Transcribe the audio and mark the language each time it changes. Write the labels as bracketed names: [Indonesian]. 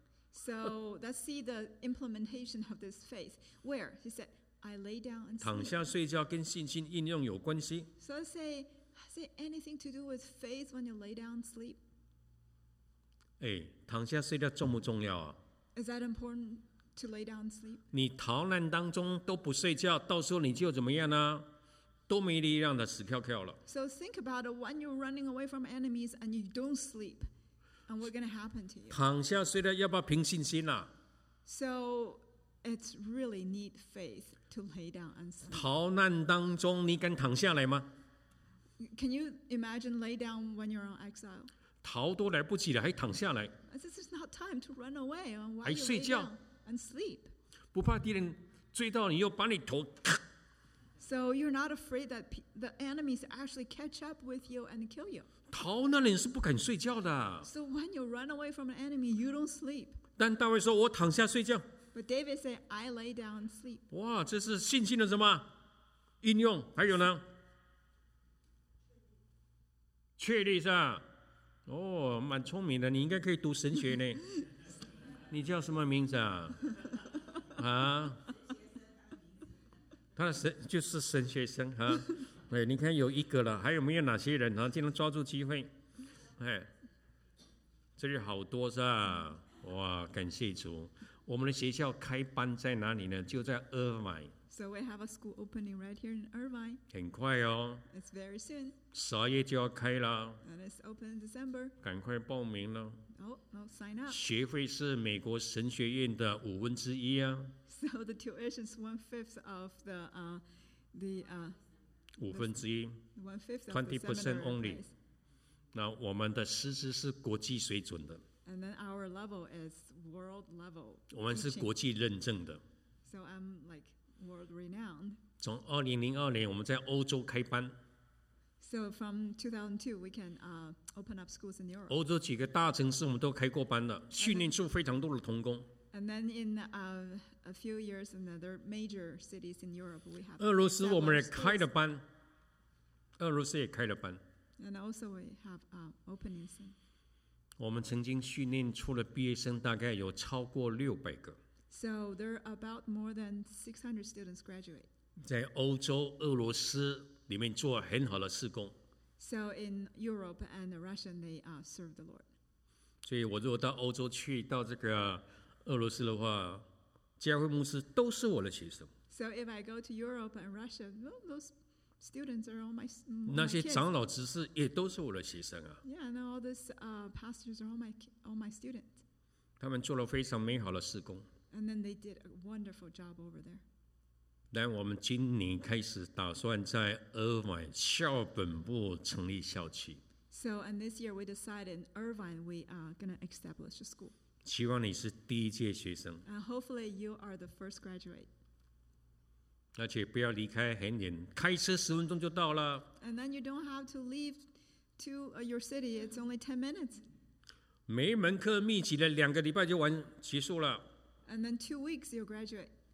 [English] So let's see the implementation of this faith. Where? He said, I lay down and sleep. [Chinese] 躺下睡觉跟信心应用有关系。 [English] So say anything to do with faith when you lay down and sleep? [Chinese] 哎，躺下睡觉重不重要啊？ [English] Is that important to lay down and sleep? [Chinese] 你逃难当中都不睡觉，到时候你就怎么样呢？都没力量的死翘翘了。 [English] So think about it, when you're running away from enemies and you don't sleep. And what's going to happen to you? [Chinese] 躺下睡了，要不要凭信心啊？ [English] So it's really need faith to lay down and sleep. [Chinese] 逃难当中，你敢躺下来吗？ [English] Can you imagine lay down when you're on exile? [Chinese] 逃都来不及了，还躺下来？ [English] This is not time to run away. Why you lay down? [Chinese] 睡觉 [English] and sleep. [Chinese] 不怕敌人追到你，又把你头。 [English] So you're not afraid that the enemies actually catch up with you and kill you. [Chinese] 逃难人是不敢睡觉的。 [English] So when you run away from an enemy, you don't sleep. [Chinese] 但大卫说：“我躺下睡觉。 [English] ”But David said, "I lay down and sleep." [Chinese] 哇，这是信心的什么应用？还有呢？确立是吧？哦，蛮聪明的，你应该可以读神学呢。你叫什么名字啊？啊？他的神就是神学生哈，哎，你看有一个了，还有没有哪些人啊？尽量抓住机会，哎，这里好多是吧？哇，感谢主！我们的学校开班在哪里呢？就在 Irvine。 [English] So we have a school opening right here in Irvine. [Chinese] 很快哦。 [English] It's very soon. [Chinese] 十二月就要开了。 [English] And it's open in December. [Chinese] 赶快报名了。 [English] Oh, sign up. [Chinese] 学费是美国神学院的五分之一啊。 [English] So the tuition is one fifth of the [Chinese] 五分之一。 [English] 20% only. [Chinese] 那我们的师资是国际水准的。 [English] And then our level is world level. [Chinese] 我们是国际认证的。 [English] So I'm like world renowned. [Chinese] 从2002年我们在欧洲开班。 [English] So from 2002, we can open up schools in Europe. [Chinese] 欧洲几个大城市我们都开过班了，训练出非常多的童工。 [English] And then in a few years, in other major cities in Europe, we have. [Chinese] 俄罗斯我们也开了班，俄罗斯也开了班。 [English] And also we have openings. [Chinese] 我们曾经训练出了毕业生大概有超过600个。 [English] So there are about more than 600 students graduate. [Chinese] 在欧洲、俄罗斯。里面做很好的事工。 [English] So in Europe and Russia, they serve the Lord. [Chinese] 所以我如果到欧洲去，到这个俄罗斯的话，教会牧师都是我的学生。 [English] So if I go to Europe and Russia, those students are all my kids. [Chinese] 那些长老执事也都是我的学生啊。 [English] Yeah, and all these pastors are all my students. [Chinese] 他们做了非常美好的事工。 [English] And then they did a wonderful job over there. [Chinese] 但我们今年开始打算在Irvine校本部成立校区。 [English] So, and this year we decided in Irvine we are going to establish a school. [Chinese] 希望你是第一届学生。 [English] And hopefully you are the first graduate. [Chinese] 而且不要离开很远，开车十分钟就到了。 [English] And then you don't have to leave to your city; it's only 10 minutes. [Chinese] 每一门课密集的两个礼拜就完结束了。 [English] And then 2 weeks you'll graduate.